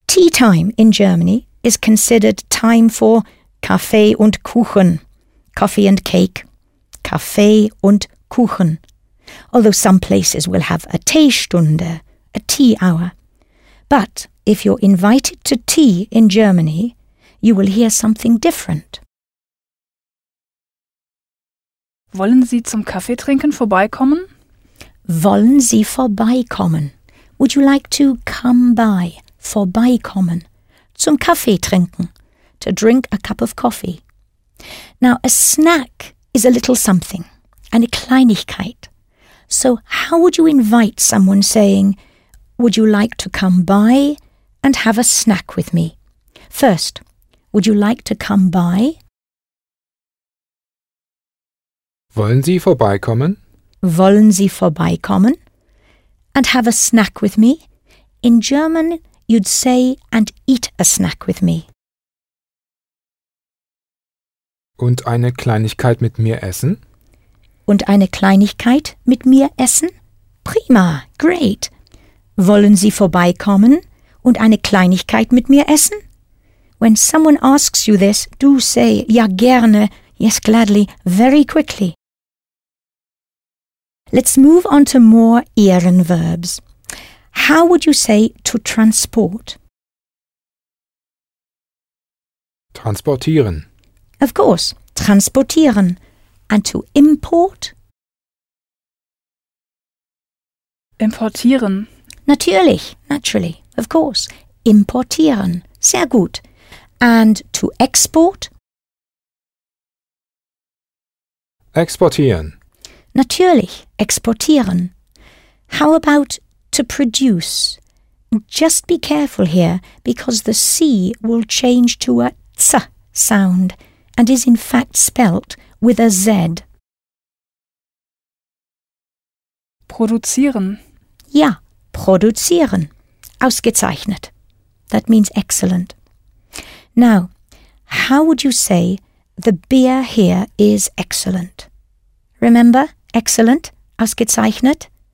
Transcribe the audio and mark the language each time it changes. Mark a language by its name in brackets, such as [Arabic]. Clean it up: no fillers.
[English] Tea time in Germany is considered time for Kaffee und Kuchen, coffee and cake. Kaffee und Kuchen. Although some places will have a Teestunde, a tea hour. But if you're invited to tea in Germany, you will hear something different. [German] Wollen Sie zum Kaffeetrinken vorbeikommen? Wollen Sie vorbeikommen? [English] Would you like to come by, vorbeikommen, zum Kaffeetrinken, to drink a cup of coffee? Now, a snack is a little something, eine Kleinigkeit. So how would you invite someone saying, would you like to come by and have a snack with me? First, would you like to come by? [German] Wollen Sie vorbeikommen? Wollen Sie vorbeikommen? [English] And have a snack with me? In German, you'd say, and eat a snack with me. [German] Und eine Kleinigkeit mit mir essen? Und eine Kleinigkeit mit mir essen? Prima, great. Wollen Sie vorbeikommen und eine Kleinigkeit mit mir essen? [English] When someone asks you this, do say, ja gerne, yes gladly, very quickly. Let's move on to more Ehrenverbs. How would you say to transport? [German] Transportieren. [English] Of course, transportieren. And to import? [German] Importieren. Natürlich, naturally, of course. Importieren. Sehr gut. [English] And to export? [German] Exportieren. Natürlich, exportieren. [English] How about to produce? Just be careful here, because the C will change to a ts sound and is in fact spelt with a Z. [German] Produzieren. Ja, produzieren. Ausgezeichnet. [English] That means excellent. Now, how would you say the beer here is excellent? Remember? Excellent, ausgezeichnet.